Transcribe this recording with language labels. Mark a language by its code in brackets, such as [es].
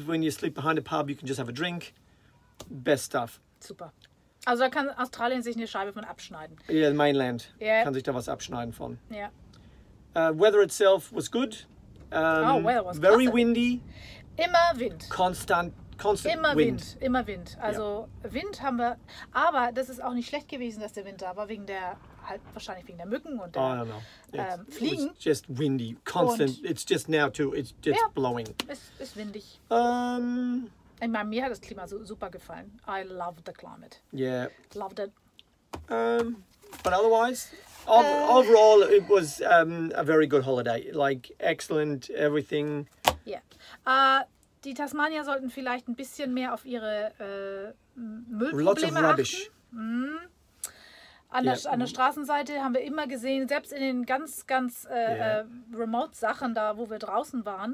[en] When you sleep behind the pub, you can just have a drink. Best stuff. Super. [de] Also da kann Australien sich eine Scheibe von abschneiden. [en] Yeah, the mainland [de] kann sich da was abschneiden von. Ja. Yeah. [en] Weather itself was good. Oh, weather was very [de] klasse. [en] Windy. [de] Immer Wind. [en] Constant, constant [de] immer Wind. Also ja. Wind haben wir, aber das ist auch nicht schlecht gewesen, dass der Wind da war, wegen der halt wahrscheinlich wegen der Mücken und der Fliegen. [en] It's just windy, constant. Und it's just now too. It's just ja, blowing. [de] Es ist windig. Ich meine, mir hat das Klima so super gefallen. [en] I love the climate. Yeah. Loved it. But otherwise, overall, it was a very good holiday. Like, excellent, everything. Yeah. [de] Die Tasmanier sollten vielleicht ein bisschen mehr auf ihre Müllprobleme achten. [en] Lots of rubbish. [de] An der Straßenseite haben wir immer gesehen, selbst in den ganz, ganz remote Sachen da, wo wir draußen waren.